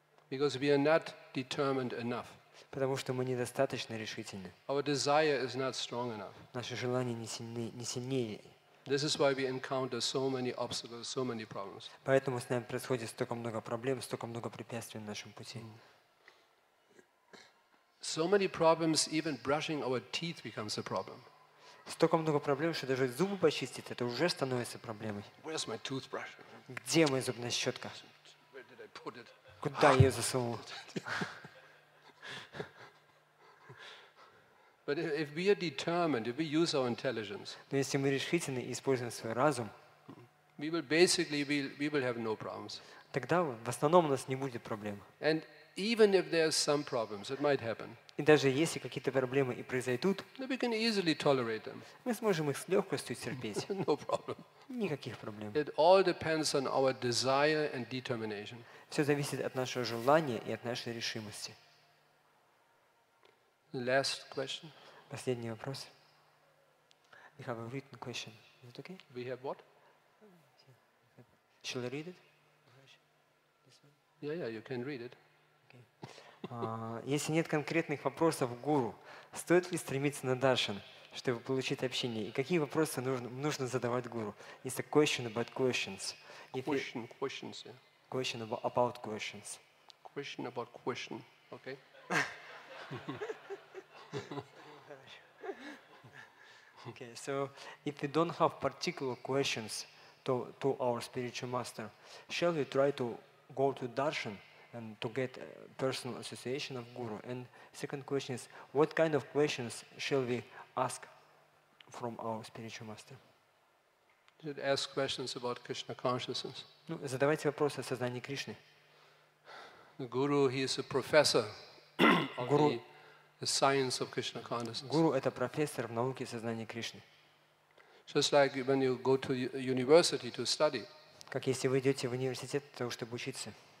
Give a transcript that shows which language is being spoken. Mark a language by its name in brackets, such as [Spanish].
[English] Because we are not determined enough. [Russian] Потому что мы недостаточно решительны. [English] Our desire is not strong enough. [Russian] Наши желания не сильнее. [English] This is why we encounter so many obstacles, so many problems. [Russian] Поэтому с нами происходит столько много проблем, столько много препятствий на нашем пути. [English] So many problems, even brushing our teeth becomes a problem. [Russian] Столько много проблем, что даже зубы почистить, это уже становится проблемой. [English] Where's my toothbrush? [Russian] Где моя зубная щетка? [English] Where did I put it? [Russian] Куда я ее засунул? [English] But if we are determined, if we use our intelligence, [Russian] но если мы решительны и используем свой разум, [English] we will have no problems. [Russian] Тогда в основном у нас не будет проблем. [English] And even if there are some problems, it might happen. [Russian] И даже если какие-то проблемы и произойдут, [English] we can easily tolerate them. [Russian] Мы сможем их с легкостью терпеть. [English] No problem. [Russian] Никаких проблем. [English] It all depends on our desire and determination. [Russian] Все зависит от нашего желания и от нашей решимости. [English] Last question. [Russian] Последний вопрос. [English] We have a written question. Is it okay? We have what? Shall I read it? Yeah, you can read it. [Russian] Если нет конкретных вопросов гуру, стоит ли стремиться на даршан, чтобы получить общение? И какие вопросы нужно задавать гуру? [English] It's a question about questions. Questions, yeah. Question about questions. Question about question. Okay. Okay, so if we don't have particular questions to our spiritual master, shall we try to go to darshan and to get a personal association of guru? And second question is, what kind of questions shall we ask from our spiritual master? Should ask questions about Krishna consciousness. [Russian] Ну, задавайте вопросы о сознании Кришны. [English] Guru, he is a professor of the science of Krishna consciousness. [Russian] Guru это профессор в науке сознания Кришны. [English] Just like when you go to university to study. [Russian] Как если вы идете в университет для того, чтобы учиться.